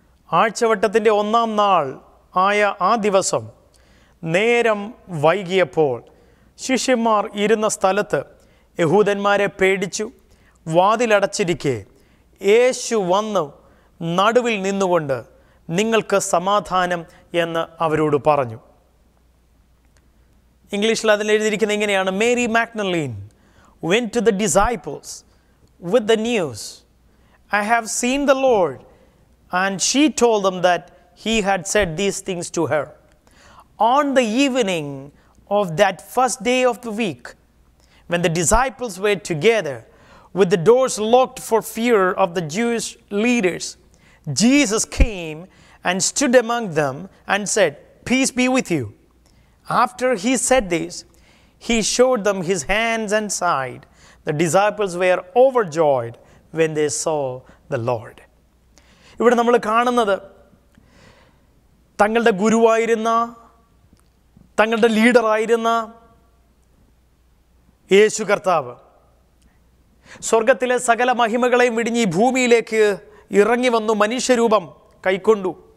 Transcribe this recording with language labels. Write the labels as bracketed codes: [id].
[ml] ആഴ്ചവട്ടത്തിൻ്റെ 1-ാം നാൾ ആയ ആ ദിവസം നേരം വൈകിയപ്പോൾ ശിഷ്യന്മാർ ഇരുന്ന സ്ഥലത്ത് യഹൂദന്മാരെ പേടിച്ചു. വാതിലടച്ചിരിക്കെ യേശു വന്ന് നടുവിൽ നിന്നുകൊണ്ട് നിങ്ങൾക്ക് സമാധാനം എന്ന് അവരോട് പറഞ്ഞു. ഇംഗ്ലീഷിൽ അതിൽ എഴുതിയിരിക്കുന്നത് ഇങ്ങനെയാണ്: [en] Mary Magdalene went to the disciples with the news, I have seen the Lord, and she told them that he had said these things to her. On the evening of that first day of the week, when the disciples were together with the doors locked for fear of the Jewish leaders, Jesus came and stood among them and said, peace be with you. After he said this, he showed them his hands and side. The disciples were overjoyed when they saw the Lord. [ml] ഇവിടെ നമ്മൾ കാണുന്നത് തങ്ങളുടെ ഗുരുവായിരുന്ന, തങ്ങളുടെ ലീഡറായിരുന്ന യേശു കർത്താവ് സ്വർഗത്തിലെ സകല മഹിമകളെയും വിടിഞ്ഞ് ഈ ഭൂമിയിലേക്ക് ഇറങ്ങി വന്നു, മനുഷ്യരൂപം കൈക്കൊണ്ടു.